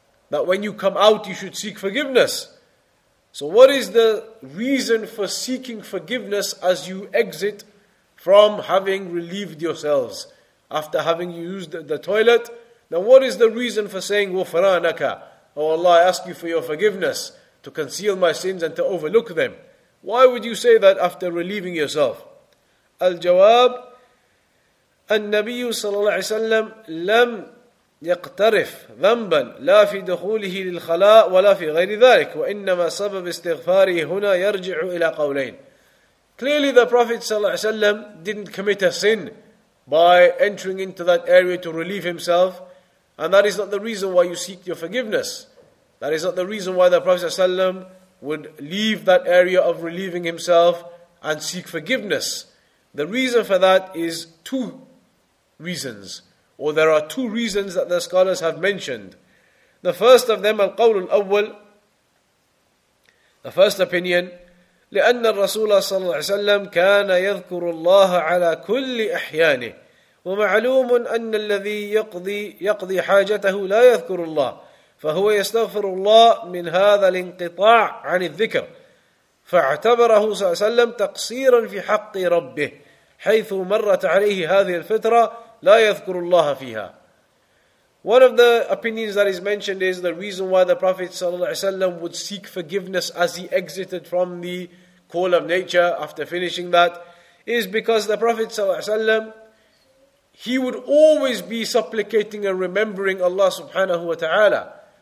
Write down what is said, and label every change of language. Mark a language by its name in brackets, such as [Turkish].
[English] That when you come out, you should seek forgiveness. So what is the reason for seeking forgiveness as you exit from having relieved yourselves after having used the toilet? Now what is the reason for saying, وَفَرَانَكَ, O Allah, I ask you for your forgiveness, to conceal my sins and to overlook them. Why would you say that after relieving yourself? [Arabic] الجواب النبي صلى الله عليه وسلم لم يقترف ذنبا لا في دخوله للخلاء ولا في غير ذلك وإنما سبب استغفاره هنا يرجع إلى قولين. [English] Clearly the Prophet صلى الله عليه وسلم didn't commit a sin by entering into that area to relieve himself, and that is not the reason why you seek your forgiveness. That is not the reason why the Prophet ﷺ would leave that area of relieving himself and seek forgiveness. The reason for that is two reasons. Or there are two reasons that the scholars have mentioned. The first of them, [Arabic] القول الأول, [English] the first opinion, [Arabic] لأن الرسول صلى الله عليه وسلم كان يذكر الله على كل أحيانه ومعلوم أن الذي يقضي حاجته لا يذكر الله فهو يستغفر الله من هذا الانقطاع عن الذكر فاعتبره صلى الله عليه وسلم تقصيرا في حق ربه حيث مرت عليه هذه الفترة لا يذكر الله فيها. [English] One of the opinions that is mentioned is the reason why the Prophet صلى الله عليه وسلم would seek forgiveness as he exited from the call of nature after finishing that is because the Prophet صلى الله عليه وسلم, he would always be supplicating and remembering Allah subhanahu wa ta'ala.